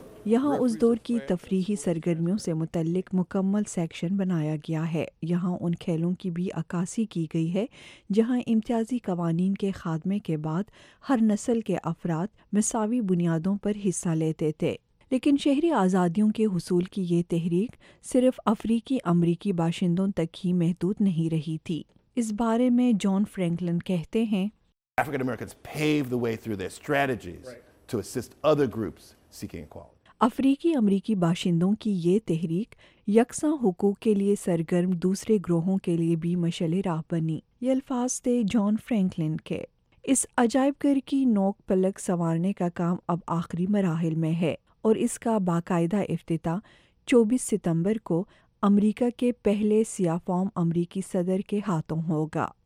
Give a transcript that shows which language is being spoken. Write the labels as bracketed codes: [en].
[ur] یہاں اس دور کی تفریحی سرگرمیوں سے متعلق مکمل سیکشن بنایا گیا ہے۔ یہاں ان کھیلوں کی بھی عکاسی کی گئی ہے جہاں امتیازی قوانین کے خاتمے کے بعد ہر نسل کے افراد مساوی بنیادوں پر حصہ لیتے تھے۔ لیکن شہری آزادیوں کے حصول کی یہ تحریک صرف افریقی امریکی باشندوں تک ہی محدود نہیں رہی تھی۔ اس بارے میں جان فرینکلن کہتے ہیں، [en] African Americans paved the way through their strategies to assist other groups seeking equality. [ur] افریقی امریکی باشندوں کی یہ تحریک یکساں حقوق کے لیے سرگرم دوسرے گروہوں کے لیے بھی مشعل راہ بنی. یہ الفاظ تھے جان فرینکلن کے. اس عجائب گھر کی نوک پلک سنوارنے کا کام اب آخری مراحل میں ہے اور اس کا باقاعدہ افتتاح 24 ستمبر کو امریکہ کے پہلے سیاہ فام امریکی صدر کے ہاتھوں ہوگا.